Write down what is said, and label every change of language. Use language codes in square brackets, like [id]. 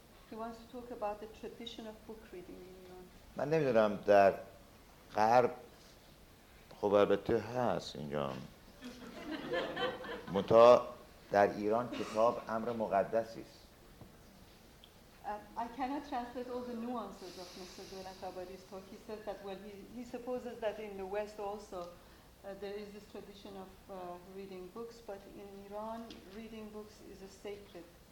[en] He wants to talk about the tradition of book reading in Iran. [fa] من نمی‌دونم در غرب خب البته هست اینجا. متا در ایران کتاب امر مقدسی است. [en] I cannot translate all the nuances of Mr. Dolatabadi's talk. He says that well, he supposes that in the West also there is this tradition of reading books, but in Iran reading books is a sacred.